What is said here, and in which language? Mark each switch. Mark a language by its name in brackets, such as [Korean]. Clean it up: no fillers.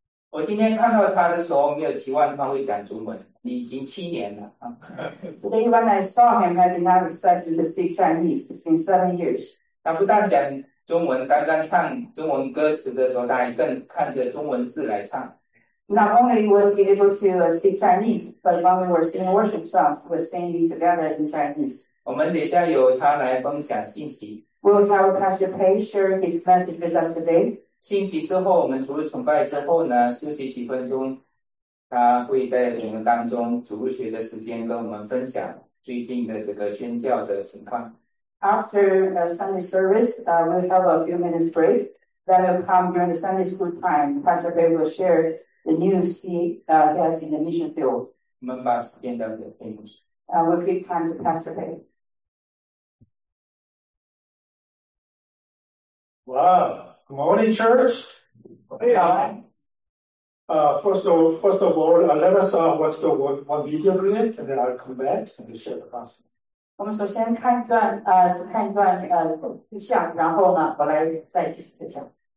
[Chinese] 我今天看到他的时候，没有期望他会讲中文。你已经7年了啊！ [English] Today, when I saw him, I did not expect him to speak Chinese. It's been 7 years. [Chinese] 他不但讲中文，单单唱中文歌词的时候，他还更看着中文字来唱。 [English] Not only was he able to speak Chinese, but when we were singing worship songs, we were singing together in Chinese. [Chinese] 我们等一下由他来分享信息。 [English] Will our Pastor Pei share his message with us today? [Chinese] 信息之后，我们逐日崇拜之后呢，休息几分钟，他会在我们当中逐日学的时间跟我们分享最近的这个宣教的情况。 [English] After a Sunday service, we'll have a few minutes break. Then we'll come during the Sunday school time. Pastor Pei will share the news he has in the mission field. [Chinese] 我们把时间交给佩牧师。 [English] We'll give time to Pastor Pei. Wow. Good morning, church. Hey, God. First of all, let us watch the one video clip, and then I'll come back and share the gospel. [Chinese] 我们首先看一段，看一段录像，然后呢，我来再继续的讲。